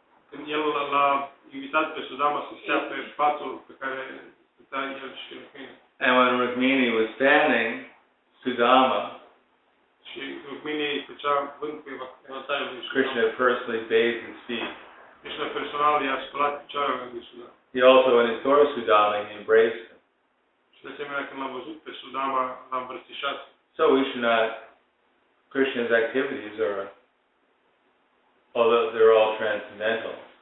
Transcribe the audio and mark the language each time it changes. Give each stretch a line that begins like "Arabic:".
Romanian: Când el l-a invitat pe Sudama să stea pe patul pe care stătea el și Rukmini.
English: And when Rukmini was standing, Sudama,
Romanian: și Rukmini făcea vânt pe vântarea lui Sudama.
English: Krishna personally bathed his feet.
Romanian: Krishna personal i-a spălat picioarele lui Sudama.
English: He also, when he saw Sudama, he embraced him.
Romanian: Și de asemenea, când l-a văzut pe Sudama, l-a îmbrățișat.
English: So we should not, Krishna's activities are, although they're all transcendental.